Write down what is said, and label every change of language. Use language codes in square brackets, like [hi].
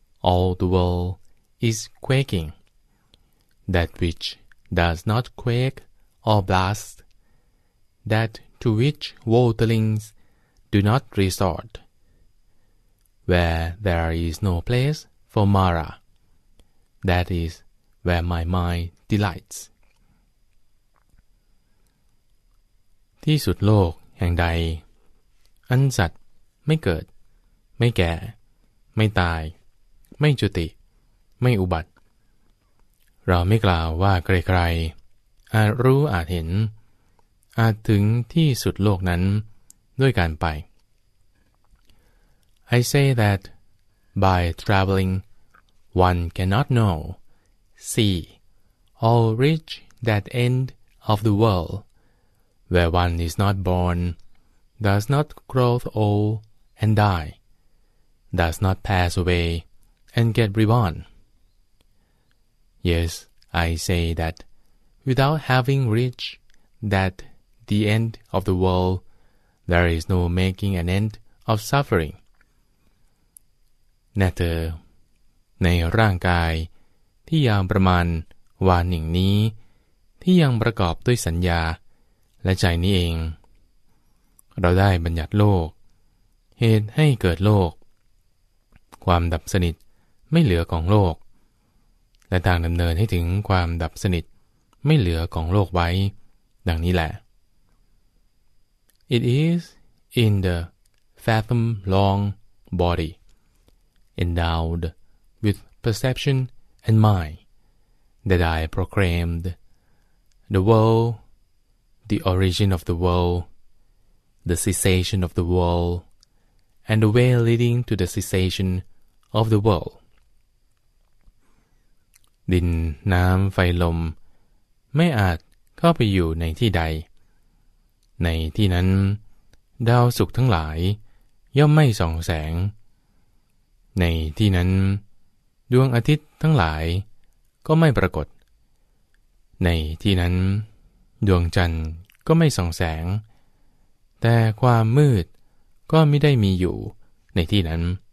[en] All the world is quaking. That which does not quake or blast, that to which worldlings do not resort, where there is no place for Mara, that is where my mind delights. [th] ที่สุดโลกแห่งใดอันสัตว์ไม่เกิดไม่แก่ไม่ตายไม่จุติไม่อุบัติเราไม่กล่าวว่าใครๆอาจรู้อาจเห็นอาจถึงที่สุดโลกนั้นด้วยการไป [en] I say that by traveling one cannot know, see, or reach that end of the world where one is not born, does not grow old and die, does not pass away and get reborn. Yes, I say that without having reached that the end of the world, there is no making an end of suffering. [th] แน่เธอในร่างกายที่ยาวประมาณวาหนึ่งนี้ที่ยังประกอบด้วยสัญญาและใจนี้เองเราได้บัญญัติโลกเหตุให้เกิดโลกความดับสนิทไม่เหลือของโลกและทางดำเนินให้ถึงความดับสนิทไม่เหลือของโลกไว้ดังนี้แหละ [en] It is in the fathom long body endowed with perception and mind that I proclaimed the world the origin of the world the cessation of the world and the way leading to the cessation of the world [th] ดินน้ำไฟลมไม่อาจเข้าไปอยู่ในที่ใดในที่นั้นดาวศุกร์ทั้งหลายย่อมไม่ส่องแสงในที่นั้นดวงอาทิตย์ทั้งหลายก็ไม่ปรากฏในที่นั้นดวงจันทร์ก็ไม่ส่องแสงแต่ความมืดก็ไม่ได้มีอยู่ในที่นั้น